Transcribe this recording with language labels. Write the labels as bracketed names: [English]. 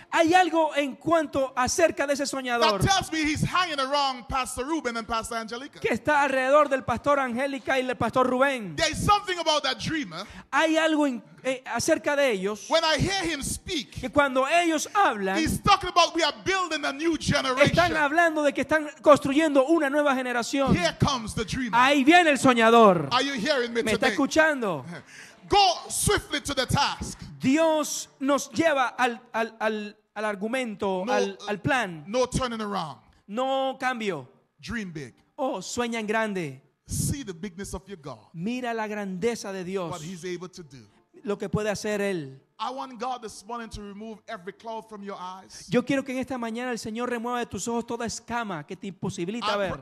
[Spanish] Hay algo en cuanto acerca de ese soñador. [English] That tells me he's hanging around Pastor Ruben and Pastor Angelica. [Spanish] Que está alrededor del Pastor Angelica y el Pastor Rubén. [English] There's something about that dreamer. [Spanish] Hay algo acerca de ellos. [English] When I hear him speak. [Spanish] Que cuando ellos hablan. [English] He's talking about we are building a new generation. [Spanish] Están hablando de que están construyendo una nueva generación. [English] Here comes the dreamer. [Spanish] Ahí viene el soñador. [English] Are you hearing me today? [Spanish] ¿Me está escuchando? [English] Go swiftly to the task. [Spanish] Dios nos lleva al argumento, al plan. [English] No turning around. [Spanish] No cambio. [English] Dream big. [Spanish] Oh, sueña en grande. [English] See the bigness of your God. [Spanish] Mira la grandeza de Dios. [English] What he's able to do. [Spanish] Lo que puede hacer él. [English] I want God this morning to remove every cloud from your eyes. [Spanish] Yo quiero que en esta mañana el Señor remueva de tus ojos toda escama que te imposibilita ver.